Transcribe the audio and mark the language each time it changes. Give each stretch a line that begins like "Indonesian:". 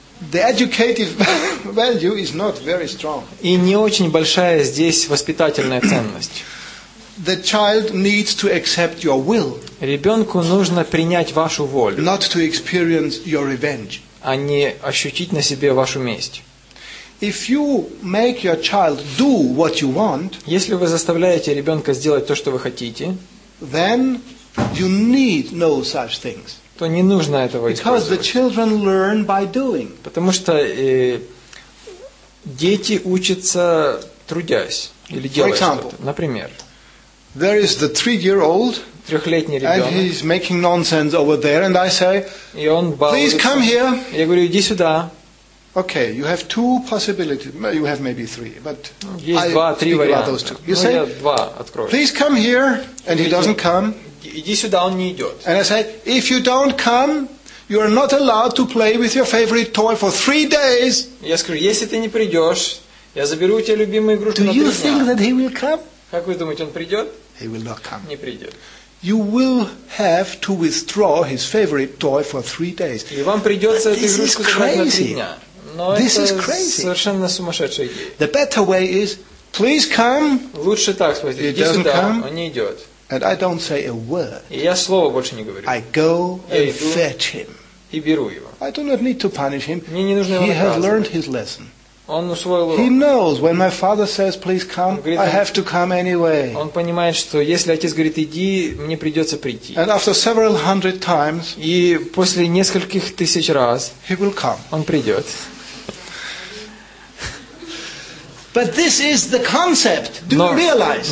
English: The educative value is not very strong.
Russian: И не очень большая здесь воспитательная ценность.
English: The child needs to accept your will.
Russian: Ребенку нужно принять вашу волю.
English: Not to experience your revenge.
Russian: А не ощутить на себе вашу месть.
English: If you make your child do what you want,
Russian: если вы заставляете ребенка сделать то, что вы хотите,
English: then you need no such things.
Russian: То не нужно этого использовать.
English: Because the children learn by doing.
Russian: Потому что дети учатся трудясь или делая что-то. Например,
English: there is the 3-year-old.
Russian: Трехлетний ребенок.
English: And he's making nonsense over there, and I say,
Russian: и он балуется.
English: Please come here.
Russian: Я говорю, иди сюда.
English: Okay, you have 2 possibilities. You have maybe 3, but
Russian: есть
English: I
Russian: два,
English: speak
Russian: варианта.
English: About those 2. You say,
Russian: два открою.
English: Please come here, and he doesn't come.
Russian: Иди сюда, он не идет.
English: And I say, if you don't come, you are not allowed to play with your favorite toy for 3 days.
Russian: Я скажу, если ты не придешь, я заберу у тебя любимую игрушку.
English: Do
Russian: на
English: you Think that he will come?
Russian: Как вы думаете, он придет?
English: He will not come.
Russian: Не придет.
English: You will have to withdraw his favorite toy for 3 days.
Russian: И вам придется эту игрушку забрать на 3 дня. Но
English: this is crazy.
Russian: Совершенно сумасшедшая идея.
English: The better way is, please come.
Russian: Лучше так спросить.
English: He doesn't come.
Russian: Он не идет.
English: And I don't say a word.
Russian: И я слова больше не говорю.
English: I go and fetch him.
Russian: И беру его.
English: I do not need to punish him.
Russian: Мне не нужно его наказывать.
English: He has learned his lesson.
Russian: Он усвоил урок.
English: He knows when my father says, please come.
Russian: Говорит,
English: I have to come anyway.
Russian: Он понимает, что если отец говорит иди, мне придется прийти.
English: And after several hundred times.
Russian: И после нескольких тысяч раз.
English: He will come.
Russian: Он придет.
English: But this is the concept. Do you realize?